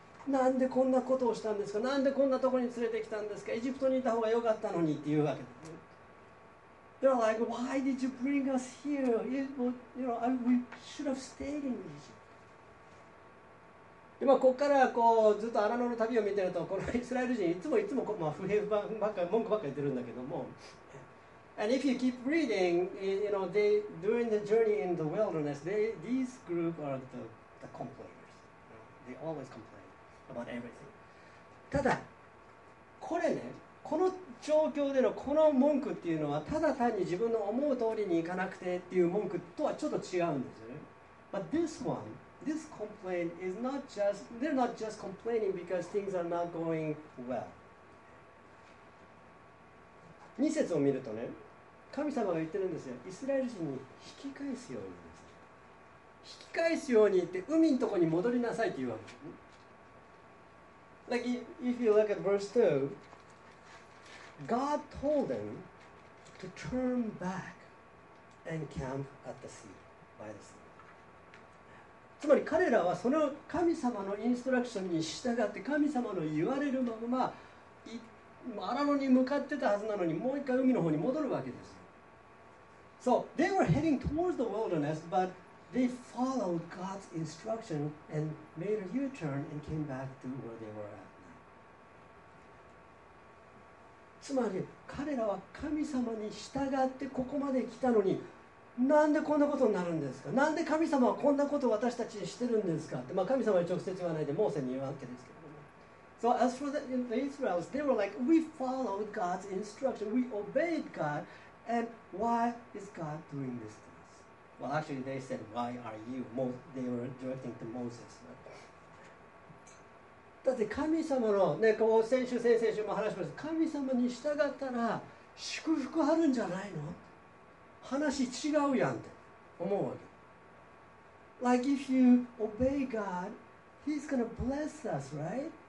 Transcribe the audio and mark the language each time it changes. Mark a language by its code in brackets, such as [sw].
[ja] なんでこんなことをしたんですか、なんでこんなところに連れてきたんですか、エジプトにいた方が良かったのにっていうわけで。 [en] They're like, why did you bring us here? We should have stayed in Egypt. [ja] でまあ、ここからこうずっとアラノの旅を見てると、このイスラエル人いつも、まあ、不平ばっか文句ばっか言ってるんだけども。 [en] And if you keep reading, you know, they during the journey in the wilderness, these group are the complainers. They always complain about everything. [ja] ただ、これね、この状況でのこの文句っていうのは、ただ単に自分の思う通りにいかなくてっていう文句とはちょっと違うんですよね。 [en] But this one, this complaint is not just, they're not just complaining because things are not going well. [ja] 2節を見るとね、神様が言ってるんですよ。イスラエル人に引き返すように、引き返すように言って海のところに戻りなさいって言うわけ。 [en] Like if you look at verse 2, God told them to turn back and camp at the sea. [ja] 場合です。つまり彼らはその神様のインストラクションに従って神様の言われるまま荒野に向かってたはずなのにもう一回海の方に戻るわけです。 [en] So they were heading towards the wilderness, but they followed God's instruction and made a U-turn and came back to where they were at. [ja] つまり彼らは神様に従ってここまで来たのに、なんでこんなことになるんですか。なんで神様はこんなことを私たちにしてるんですかって、まあ、神様に直接言わないでモーセに言うわけですけど。 [en] So as for the Israelites, they were like, we followed God's instruction, we obeyed God, and why is God doing this to us? Well, actually, they said, why are you? They were directing to Moses. [ja] だって神様の、ね、こう先週先々週も話しました。神様に従ったら祝福あるんじゃないの？話違うやんって思うわけ。 [en] Like if you obey God, He's gonna bless us, right?